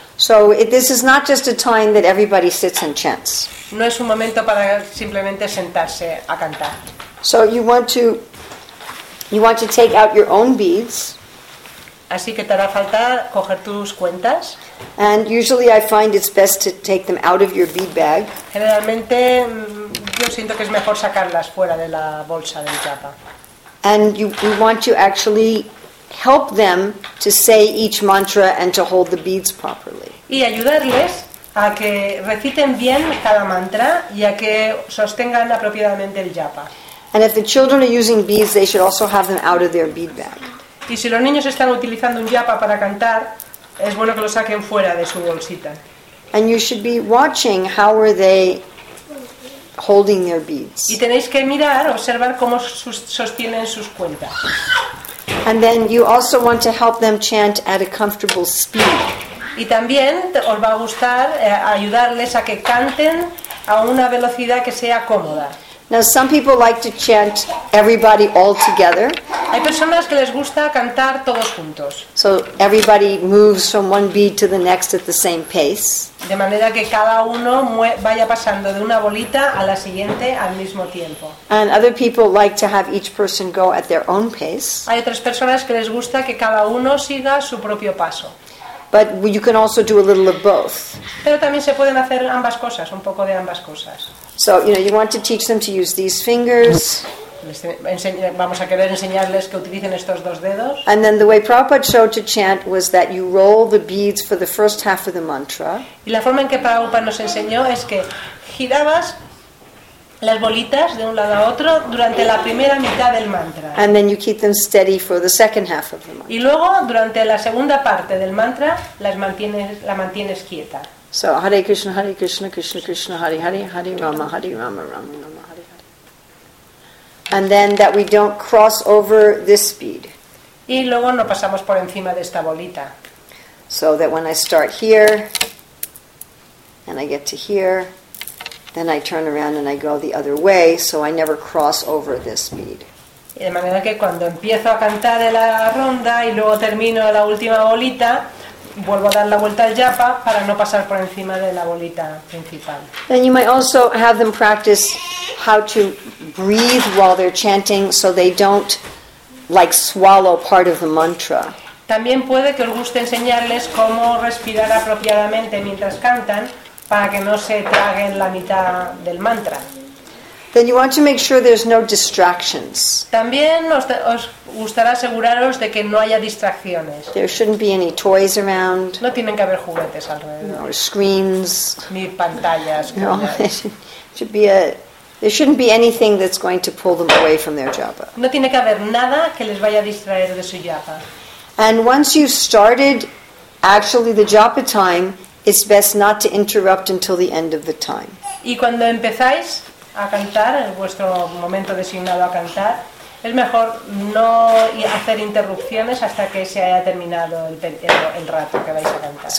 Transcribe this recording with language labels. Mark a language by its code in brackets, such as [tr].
[en] So this is not just a time that everybody sits and chants. [es] No es un momento para simplemente sentarse a cantar. [en] So you want to take out your own beads. [es] Así que te hará falta coger tus cuentas. [en] And usually I find it's best to take them out of your bead bag. [es] Generalmente yo siento que es mejor sacarlas fuera de la bolsa del japa. [en] And you want to actually help them to say each mantra and to hold the beads properly. [es] Y ayudarles a que reciten bien cada mantra y a que sostengan apropiadamente el japa. [en] And if the children are using beads, they should also have them out of their bead bag. [es] Y si los niños están utilizando un japa para cantar, es bueno que lo saquen fuera de su bolsita. [en] And you should be watching how are they holding their beads. [es] Y tenéis que mirar, observar cómo sostienen sus cuentas. [en] And then you also want to help them chant at a comfortable speed. [es] Y también os va a gustar ayudarles a que canten a una velocidad que sea cómoda. [en] Now some people like to chant everybody all together. [es] Hay personas que les gusta cantar todos juntos. [en] So everybody moves from one beat to the next at the same pace. [es] De manera que cada uno vaya pasando de una bolita a la siguiente al mismo tiempo. [en] And other people like to have each person go at their own pace. [es] Hay otras personas que les gusta que cada uno siga su propio paso. [en] But you can also do a little of both. [es] Pero también se pueden hacer ambas cosas, un poco de ambas cosas. [en] So, you know, you want to teach them to use these fingers. [es] Vamos a querer enseñarles que utilicen estos dos dedos. [en] And then the way Prabhupada showed to chant was that you roll the beads for the first half of the mantra. [es] Y la forma en que Prabhupada nos enseñó es que girabas las bolitas de un lado a otro durante la primera mitad del mantra. [en] And then you keep them steady for the second half of the mantra. [es] Y luego durante la segunda parte del mantra la mantienes quieta. [sa] So Hare Krishna, Hare Krishna, Krishna Krishna, Hare Hare, Hare Rama, Hare Rama, Rama Rama, Hare Hare. [en] And then that we don't cross over this bead. [es] Y luego no pasamos por encima de esta bolita. [en] So that when I start here and I get to here, then I turn around and I go the other way, so I never cross over this bead. [es] Y de manera que cuando empiezo a cantar en la ronda y luego termino la última bolita, vuelvo a dar la vuelta al japa para no pasar por encima de la bolita principal. [en] Then you might also have them practice how to breathe while they're chanting so they don't like swallow part of the mantra. [es] También puede que os guste enseñarles cómo respirar apropiadamente mientras cantan para que no se traguen la mitad del mantra. [en] Then you want to make sure there's no distractions. [es] También os gustará aseguraros de que no haya distracciones. [en] There shouldn't be any toys around. [es] No tienen que haber juguetes alrededor. [en] No screens. [es] Ni pantallas. [en] No, there shouldn't be anything that's going to pull them away from their japa. [es] No tiene que haber nada que les vaya a distraer de su japa. [en] And once you've started actually the japa time, it's best not to interrupt until the end of the time. [es] Y cuando empezáis a cantar, en vuestro momento designado a cantar, es mejor no hacer interrupciones hasta que se haya terminado el rato que vais a cantar.